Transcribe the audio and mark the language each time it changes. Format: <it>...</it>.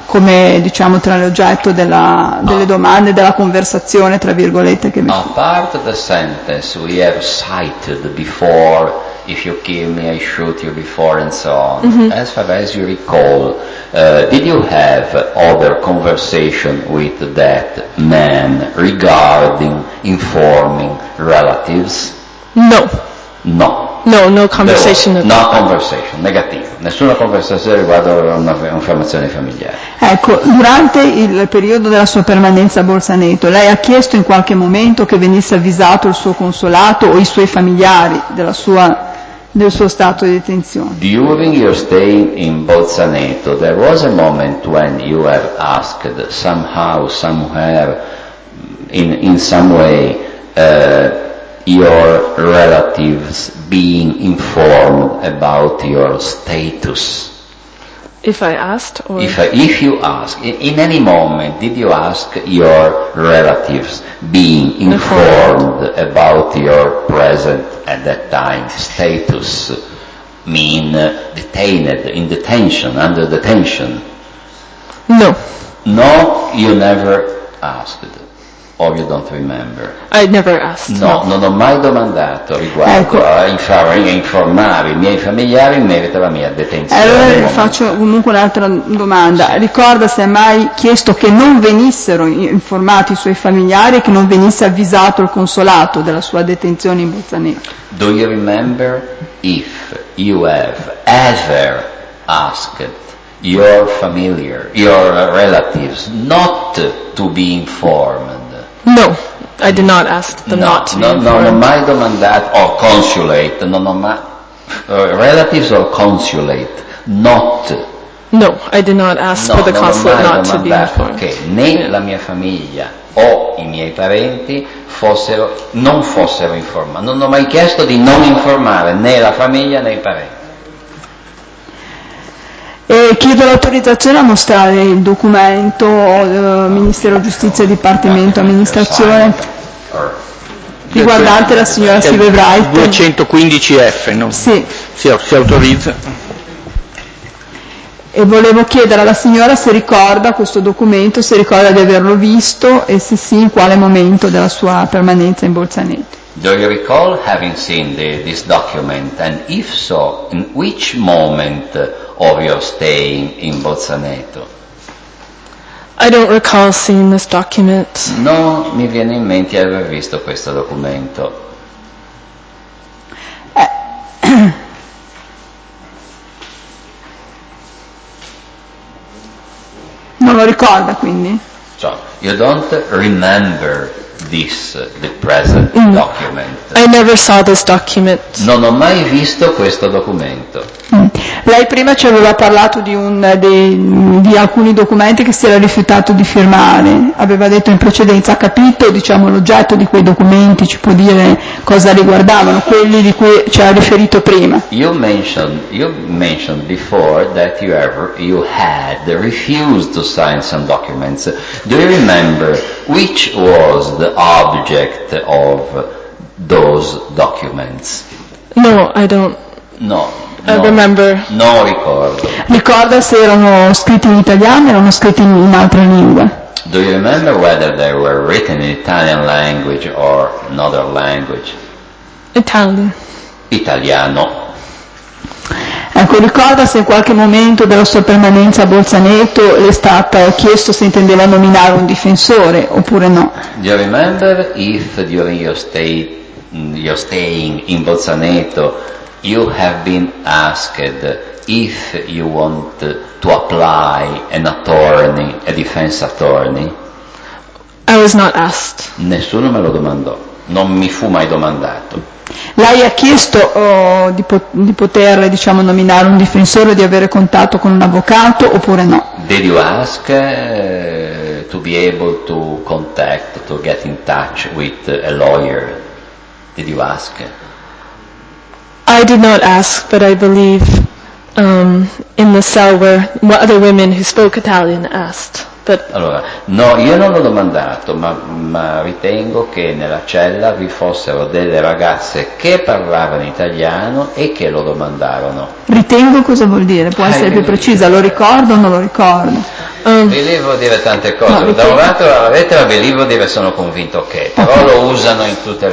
<it>Come, diciamo, tra l'oggetto delle domande, della conversazione, tra virgolette, che mi fu. A parte la</it> <en>sentence we have cited before, if you kill me, I shoot you before, and so on. Mm-hmm. As far as you recall, did you have other conversation with that man regarding informing relatives? No. No. No, no conversation. No conversation,</en> <it>negativo. Nessuna conversazione riguardo un'informazione familiare. Ecco, durante il periodo della sua permanenza a Bolzaneto, lei ha chiesto in qualche momento che venisse avvisato il suo consolato o i suoi familiari del suo stato di detenzione.</it> <en>During your stay in Bolzaneto, there was a moment when you have asked somehow, somewhere, in some way, your relatives being informed about your status. If I asked, or if you ask, in any moment, did you ask your relatives being informed about your present at that time status, mean detained, in detention, under detention? No. No, you never asked. Or you don't remember. I never asked.</en> <it>No, non ho mai domandato riguardo a informare i miei familiari in merito alla mia detenzione. Allora le faccio comunque un'altra domanda. Sì. Ricorda se ha mai chiesto che non venissero informati i suoi familiari e che non venisse avvisato il consolato della sua detenzione in Bolzaneto?</it> <en>Do you remember if you have ever asked your familiar, your relatives, not to be informed? No, I did not ask them not to be informed.</en> <it>No, non ho mai domandato,</it> <en>or consulate,</en> <it>non ho mai,</it> <en>relatives or consulate, not. No, I did not ask for the consulate not to be informed.</en> <it>No, non ho mai domandato che né la mia famiglia o i miei parenti non fossero informati. Non ho mai chiesto di non informare né la famiglia né i parenti. E chiedo l'autorizzazione a mostrare il documento Ministero Giustizia Dipartimento Amministrazione riguardante la signora Silvia Bright 215F, no? Sì. Si autorizza. E volevo chiedere alla signora se ricorda questo documento, se ricorda di averlo visto e se sì in quale momento della sua permanenza in Bolzaneto.</it> <en>Do you recall having seen this document, and if so, in which moment of your staying in Bolzaneto? I don't recall seeing this document.</en> <it>No, mi viene in mente di aver visto questo documento. Non lo ricorda, quindi?</it> <en>So, you don't remember this, the present document. I never saw this document.</en> <it>Non ho mai visto questo documento. Lei prima ci aveva parlato di alcuni documenti che si era rifiutato di firmare. Aveva detto in precedenza, ha capito, diciamo, l'oggetto di quei documenti, ci può dire cosa riguardavano, quelli di cui ci ha riferito prima.</it> <en>You mentioned before that you had refused to sign some documents. Do you remember which was the object of those documents? No, I don't. No. I remember.</en> <it>No, ricordo. Ricorda se erano scritti in italiano o erano scritti in altre lingue?</it> <en>Do you remember whether they were written in Italian language or another language? Italian.</en> <it>Italiano. Ecco, ricorda se in qualche momento della sua permanenza a Bolzaneto le è stato chiesto se intendeva nominare un difensore oppure no?</it> <en>Do you remember if during your staying in Bolzaneto you have been asked if you want to apply an attorney, a defense attorney? I was not asked.</en> <it>Nessuno me lo domandò, non mi fu mai domandato. Lei ha chiesto di poter, diciamo, nominare un difensore, di avere contatto con un avvocato oppure no?</it> <en>Did you ask to be able to contact, to get in touch with a lawyer? Did you ask? I did not ask, but I believe in the cell where other women who spoke Italian asked. But</en> <it>allora, no, io non l'ho domandato, ma ritengo che nella cella vi fossero delle ragazze che parlavano italiano e che lo domandarono. Ritengo, cosa vuol dire? Può essere più precisa, lo ricordo o non lo ricordo? Believe vuol dire tante cose, no, da un lato la lettera believe vuol dire sono convinto che, però okay. Lo usano in tutte le</it>